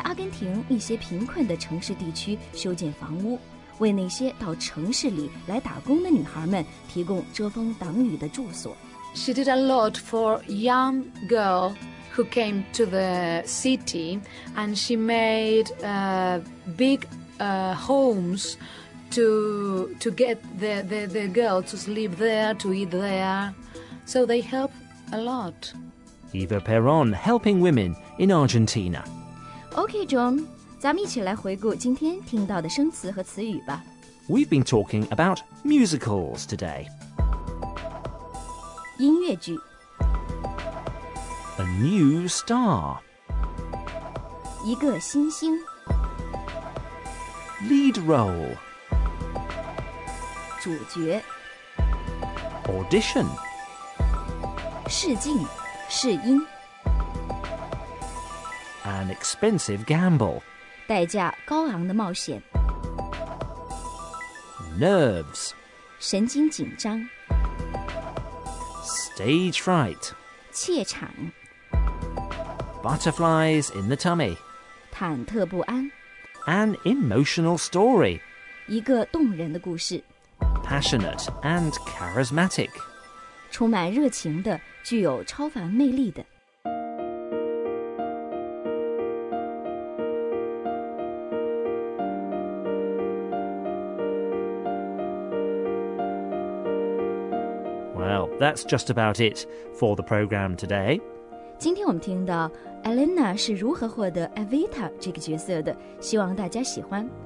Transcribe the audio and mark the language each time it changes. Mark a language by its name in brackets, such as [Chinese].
[Chinese] 平一些贫困的城市地区修建房屋，为那些到城市里来打工的女孩们提供遮风挡雨的住所。 [English] She did a lot for young girl who came to the city, and she made big homes to get the girl to sleep there, to eat there. So they help a lot. Eva Perón, helping women in Argentina. [Chinese] Okay, John, 咱们一起来回顾今天听到的生词和词语吧。 [English] We've been talking about musicals today. [Chinese] 音乐剧 [English] A new star [Chinese] 一个新星 [English] Lead role [Chinese] 主角 [English] Audition [Chinese] 试镜试音 [English] An expensive gamble [Chinese] 代价高昂的冒险 [English] Nerves [Chinese] 神经紧张 [English] Stage fright. [Chinese] 怯场 [English] Butterflies in the tummy. [Chinese] 忐忑不安 [English] An emotional story. [Chinese] 一个动人的故事 [English] Passionate and charismatic. [Chinese] 充满热情的，具有超凡魅力的 [English] Well, that's just about it for the program today. [Chinese] 今天我们听到 Elena 是如何获得 Evita 这个角色的，希望大家喜欢。